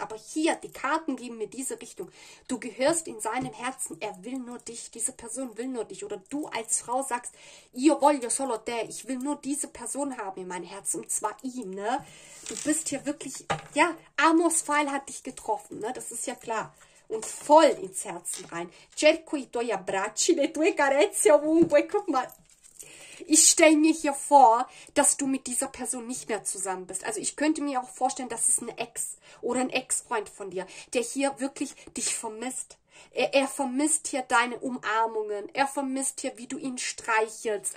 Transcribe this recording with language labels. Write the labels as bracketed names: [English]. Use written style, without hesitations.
[German] Aber hier, die Karten geben mir diese Richtung. Du gehörst in seinem Herzen. Er will nur dich. Diese Person will nur dich. Oder du als Frau sagst, ihr wollt ja solo der. Ich will nur diese Person haben in mein Herz. Und zwar ihn, ne? Du bist hier wirklich, ja, Amors Pfeil hat dich getroffen, ne? Das ist ja klar. Und voll ins Herzen rein. [Italian] Cerco i tuoi abbracci, le tue carezze ovunque. [German] Guck mal. Ich stelle mir hier vor, dass du mit dieser Person nicht mehr zusammen bist. Also ich könnte mir auch vorstellen, dass es ein Ex oder ein Ex-Freund von dir, der hier wirklich dich vermisst. Er vermisst hier deine Umarmungen. Er vermisst hier, wie du ihn streichelst.